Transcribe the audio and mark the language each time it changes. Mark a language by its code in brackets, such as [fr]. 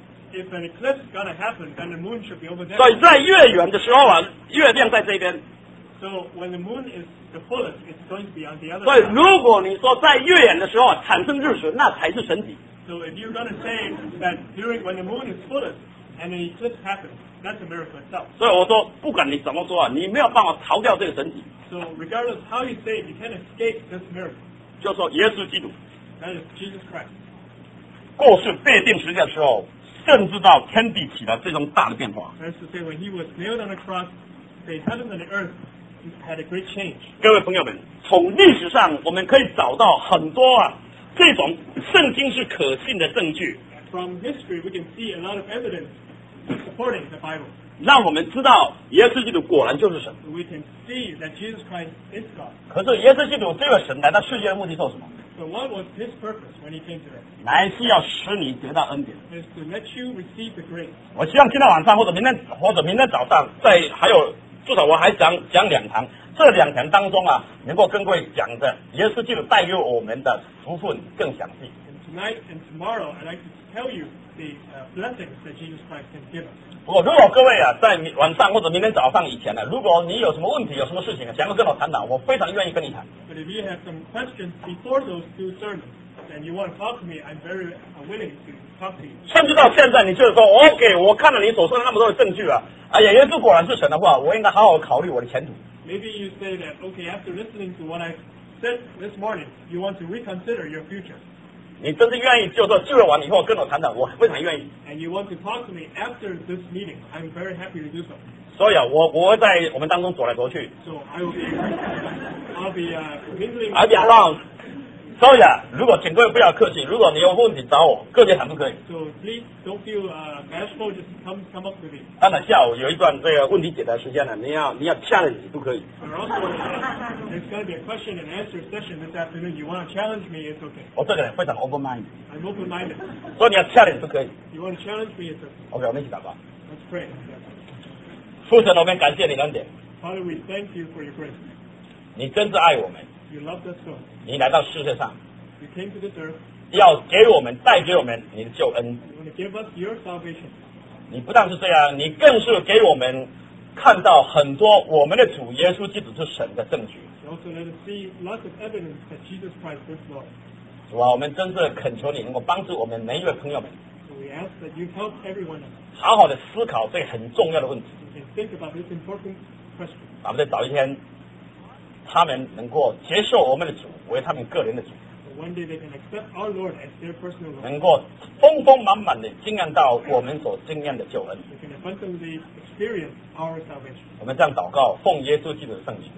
[en] If an eclipse is gonna happen, then the moon should be over there. [zh] 所以在月圆的时候啊，月亮在这边。 [en] So when the moon is the fullest, it's going to be on the other side. [zh] 所以如果你说在月圆的时候产生日食，那才是神迹。 [en] So if you're gonna say that during when the moon is fullest and an eclipse happens, that's a miracle itself. [zh] 所以我说，不管你怎么说啊，你没有办法逃掉这个神迹。 [en] So regardless how you say it, you can't escape this miracle. [zh] 就说耶稣基督。 [en] That is Jesus Christ. [zh] 过世被钉十字架的时候，甚至到天地起了这种大的变化。 [en] That is to say, when he was nailed on the cross, the heavens and the earth had a great change. [zh] 各位朋友们，从历史上我们可以找到很多啊这种圣经是可信的证据。 [en] From history, we can see a lot of evidence supporting the Bible. [zh] 让我们知道耶稣基督果然就是神。 [en] We can see that Jesus Christ is God. [zh] 可是耶稣基督这个神来到世界的目的做什么？ [en] So what was his purpose when he came to earth? [zh] 来是要使你得到恩典。 [en] Is to let you receive the grace. [zh] 我希望今天晚上或者明天早上，在还有至少我还讲2堂，这2堂当中啊，能够跟各位讲的耶稣基督带给我们的福分更详细。 [en] And tonight and tomorrow, I'd like to tell you the blessings that Jesus Christ can give us. [zh] 不过如果各位啊，在晚上或者明天早上以前呢、啊，如果你有什么问题、有什么事情、啊，想要跟我谈谈，我非常愿意跟你谈。 [en] But if you have some questions before those two sermons, and you want to talk to me, I'm very willing to talk to you. [zh] 甚至到现在，你就是说 ，OK， 我看了你手上那么多的证据啊，哎呀，耶稣果然是神的话，我应该好好考虑我的前途。 [en] Maybe you say that, okay, after listening to what I said this morning, you want to reconsider your future. [zh] 你真的愿意就说聚会完以后跟我谈谈，我非常愿意。 [en] And you want to talk to me after this meeting? I'm very happy to do so. [zh] 所以啊，我在我们当中走来走去。 [en] So I will be, mingling. I'll be around. [zh] 所以啊，如果请各位不要客气，如果你有问题找我，各位谈不可以。 [en] So please don't feel bashful. Just come up with me. [zh] 当然，下午有一段这个问题解答时间了，你要 challenge 不可以。 [en] There's going to be a question and answer session this afternoon. You want to challenge me, it's okay. [zh] 我这个人非常 open-minded. [en] I'm open-minded. [zh] 所以你要 challenge 不可以。 [en] You want to challenge me, it's okay. [zh] Okay, 我们一起祷告。 [en] Let's pray. [zh] 父神，我们感谢你的恩典。 [en] Father, we thank you for your grace. [zh] 你真是爱我们。 [en] You loved us so. [zh] 你来到世界上。 [en] You came to this earth. [zh] 要给我们，带给我们你的救恩。 [en] You want to give us your salvation. [zh] 你不但是这样，你更是给我们看到很多我们的主耶稣基督是神的证据。 [en] Also, let us see lots of evidence that Jesus Christ is Lord. [zh] 主啊，我们真是恳求你能够帮助我们每一位朋友们。 [en] So we ask that you help everyone. [zh] 好好的思考这很重要的问题。 [en] And think about this important question. [zh] 咱们再找一天，他们能够接受我们的主为他们个人的主。 [en] One day they can accept our Lord as their personal Lord. [zh] 能够丰丰满满的经验到我们所经验的救恩。 [en] They can abundantly experience our salvation. [zh] 我们这样祷告，奉耶稣基督的圣名。